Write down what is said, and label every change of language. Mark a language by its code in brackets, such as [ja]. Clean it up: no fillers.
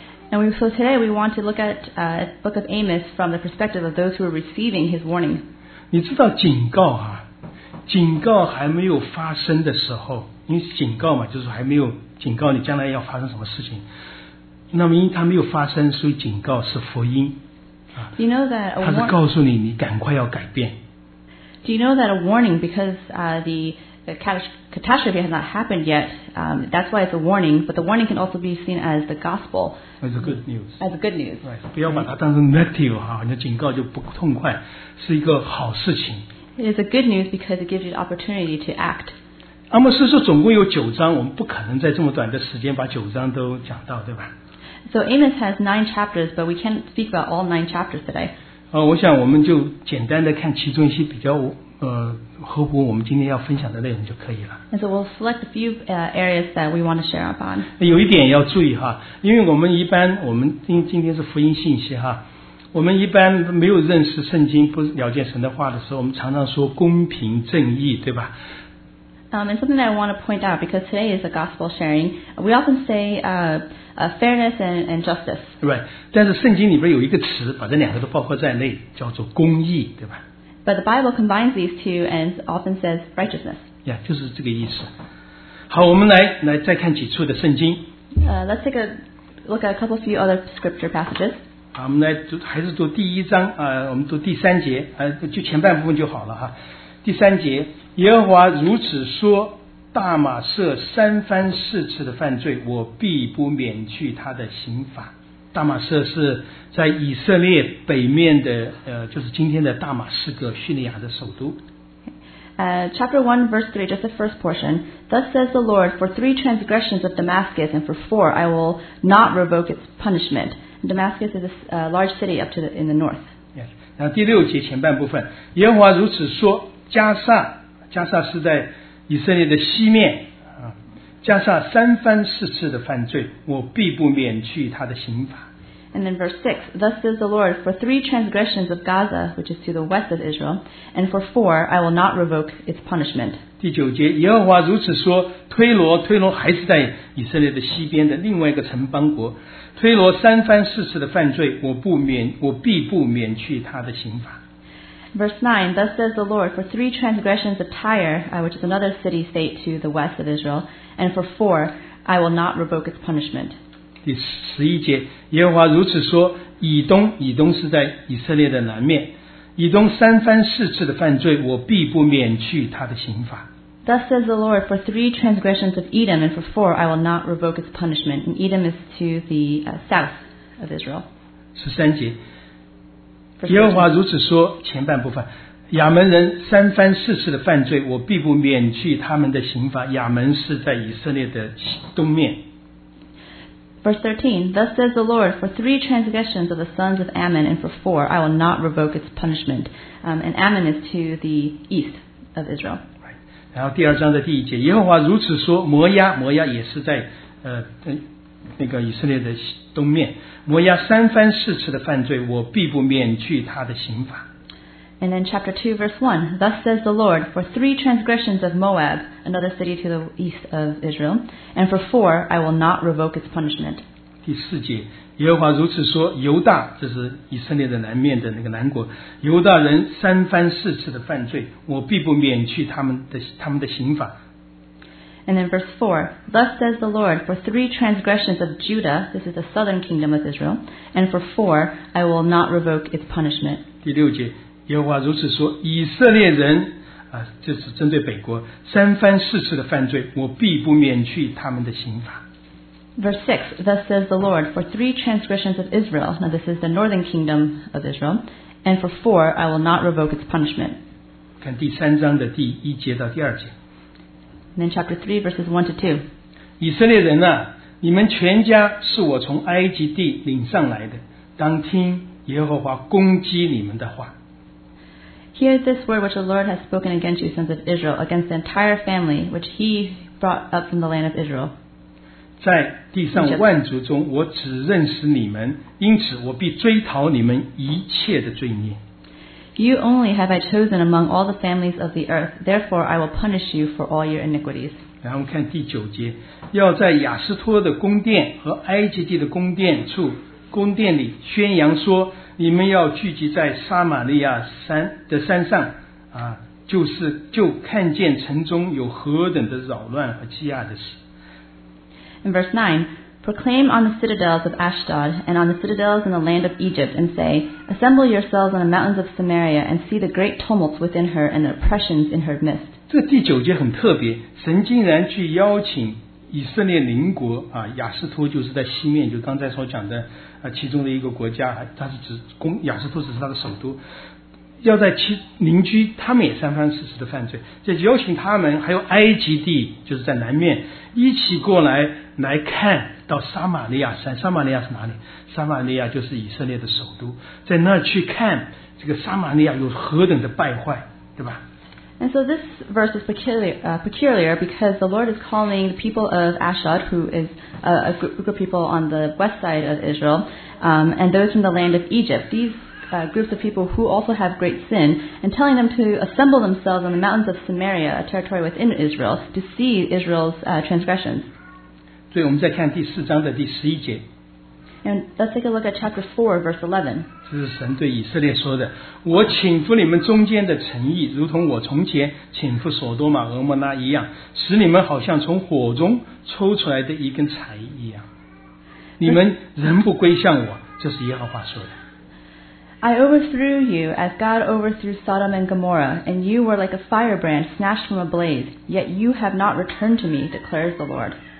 [en] And so today we want to look at Book of Amos from the perspective of those who are receiving his warning. [zh] 你知道警告啊，警告还没有发生的时候，因为警告嘛，就是还没有警告你将来要发生什么事情。那么因为它没有发生，所以警告是福音。 [en] Do you know that a [zh] 它是告诉你，你赶快要改变。 [en] Do you know that a warning? Because the catastrophe has not happened yet. That's why it's a warning. But the warning can also be seen as the gospel. As a good news. As a good news. Right. [zh] 不要把它当成 negative 哈，你警告就不痛快，是一个好事情。 [en] It is a good news because it gives you the opportunity to act. [zh] 阿摩斯说总共有九章，我们不可能在这么短的时间把九章都讲到，对吧？ [en] So Amos has nine chapters, but we can't speak about all nine chapters today. [zh] 我想我们就简单的看其中一些比较。合乎我们今天要分享的内容就可以了。 [en] And so we'll select a few areas that we want to share upon. [zh] 有一点要注意哈，因为我们今天是福音信息哈，我们一般没有认识圣经、不了解神的话的时候，我们常常说公平正义，对吧？ [en] And something that I want to point out because today is a gospel sharing, we often say fairness and justice. Right. [zh] 但是圣经里边有一个词把这两个都包括在内，叫做公义，对吧？ [en] But the Bible combines these two and often says righteousness. [zh] Yeah, 就是这个意思。好，我们来再看几处的圣经。 [en] Let's take a look at a couple few other scripture passages. [zh] 好，我们来读，还是读第一章啊，我们读第三节啊，就前半部分就好了哈。第三节，耶和华如此说：大马色三番四次的犯罪，我必不免去他的刑罚。大马色是在以色列北面的就是今天的大马士革叙利亚的首都。 [en] Chapter 1 verse 3 just the first portion. Thus says the Lord, for three transgressions of Damascus and for four I will not revoke its punishment. Damascus is a large city up to in the north. Yes. [zh] 然后第六节前半部分，耶和华如此说，加萨是在以色列的西面。加萨三番四次的犯罪，我必不免去他的刑罚。 [en] And then verse 6, thus says the Lord, for three transgressions of Gaza, which is to the west of Israel, and for four, I will not revoke its punishment. [zh] 第九节，耶和华如此说，推罗还是在以色列的西边的另外一个城邦国，推罗三番四次的犯罪，我必不免去他的刑罚。 [en] Verse 9, thus says the Lord, for three transgressions of Tyre, which is another city-state to the west of Israel, and for four, I will not revoke its punishment. [zh] 第十一节，耶和华如此说，以东是在以色列的南面，以东三番四次的犯罪，我必不免去他的刑罚。 [en] Thus says the Lord, for three transgressions of Edom, and for four, I will not revoke its punishment. And Edom is to the south of Israel. [zh] 十三节。耶和华如此说，前半部分，亚门人三番四次的犯罪，我必不免去他们的刑罚。亚门是在以色列的东面。 [en] Verse 13, thus says the Lord, for three transgressions of the sons of Ammon and for four, I will not revoke its punishment. And Ammon is to the east of Israel. Right. [zh] 然后第二章的第一节，耶和华如此说，摩押，摩押也是在那个以色列的东面，摩押三番四次的犯罪，我必不免去他的刑罚。 [en] And then chapter 2, verse 1, thus says the Lord, for three transgressions of Moab, another city to the east of Israel, and for four, I will not revoke its punishment. [zh] 第四节，耶和华如此说，犹大，这是以色列的南面的那个南国，犹大人三番四次的犯罪，我必不免去他们的刑罚。 [en] And then verse 4, thus says the Lord, for three transgressions of Judah, this is the southern kingdom of Israel, and for four, I will not revoke its punishment. [zh] 第六节，耶和华如此说，以色列人啊，就是针对北国三番四次的犯罪，我必不免去他们的刑罚。 [en] Verse 6, thus says the Lord, for three transgressions of Israel, now this is the northern kingdom of Israel, and for four, I will not revoke its punishment. [zh] 看第三章的第一节到第二节。 [en] And then chapter 3, verses 1 to 2. [zh] 以色列人啊，你们全家是我从埃及地领上来的，当听耶和华攻击你们的话。 [en] Hear this word which the Lord has spoken against you, sons of Israel, against the entire family which he brought up from the land of Israel. [zh] 在地上万族中，我只认识你们，因此我必追讨你们一切的罪孽。 [en] You only have I chosen among all the families of the earth, therefore I will punish you for all your iniquities. [zh] 然后看第九节，要在亚斯托的宫殿和埃及地的宫殿处，宫殿里宣扬说，你们要聚集在撒玛利亚山的山上啊，就是就看见城中有何等的扰乱和欺压的事。 [en] In verse 9, proclaim on the citadels of Ashdod and on the citadels in the land of Egypt and say, assemble yourselves on the mountains of Samaria and see the great tumults within her and the oppressions in her midst. [zh] 这第九节很特别，神竟然去邀请以色列邻国啊，亚斯托就是在西面，就刚才所讲的其中的一个国家，它是指亚斯托只是它的首都，要在其邻居他们也三番四次的犯罪，就邀请他们还有埃及地就是在南面一起过来来看到撒玛利亚山。撒玛利亚是哪里？撒玛利亚就是以色列的首都，在那儿去看这个撒玛利亚有何等的败坏，对吧？ [en] And so this verse is peculiar because the Lord is calling the people of Ashdod, who is a group of people on the west side of Israel, and those from the land of Egypt, these groups of people who also have great sin, and telling them to assemble themselves on the mountains of Samaria, a territory within Israel, to see Israel's transgressions. [zh] 所以我们再看第四章的第十一节。 [en] And let's take a look at chapter 4, verse 11. [zh] 这是神对以色列说的，我倾覆你们中间的诚意，如同我从前倾覆索多玛、俄摩拉一样，使你们好像从火中抽出来的一根柴一样。你们仍不归向我，这是耶和华说的。 [en] I overthrew you as God overthrew Sodom and Gomorrah, and you were like a firebrand snatched from a blaze, yet you have not returned to me, declares the Lord.